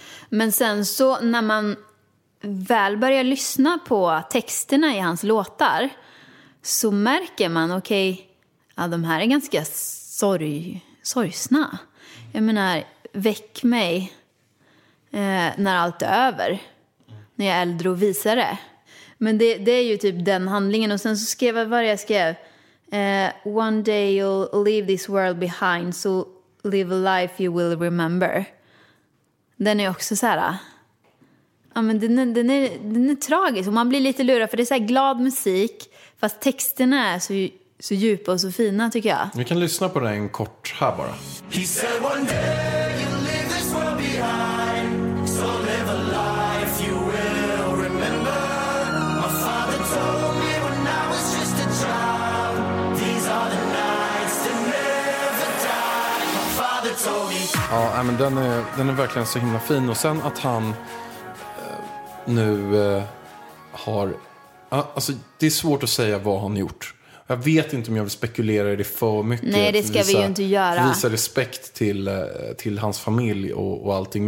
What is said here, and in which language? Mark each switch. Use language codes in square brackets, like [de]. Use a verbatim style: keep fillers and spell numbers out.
[sv] Men sen så när man väl börjar lyssna på texterna i hans låtar så märker man, okej... Okay, ja, de här är ganska sorg, sorgsna. Jag menar, väck mig eh, när allt är över. När jag är äldre och visare. Men det, det är ju typ den handlingen. Och sen så skrev jag vad jag skrev. [en] Eh, One day you'll leave this world behind, so live a life you will remember. [sv] Den är också så här... Ja, men den, är, den, är, den är tragisk. Och man blir lite lurad, för det är så här glad musik. Fast texterna är så... Så djupa och så fina tycker jag. Vi kan lyssna på den kort här bara. [en] He said one day you'll leave this world behind, so live a life you will remember. My father told me when I was just a child, these are the nights that never die. My father told me. [sv] Ja, men den är, den är verkligen så himla fin. Och sen att han eh, nu eh, har... Alltså det är svårt att säga vad han gjort. Jag vet inte om jag vill spekulera i det för mycket. Nej, det ska visa, vi ju inte göra. Visa respekt till, till hans familj och, och allting.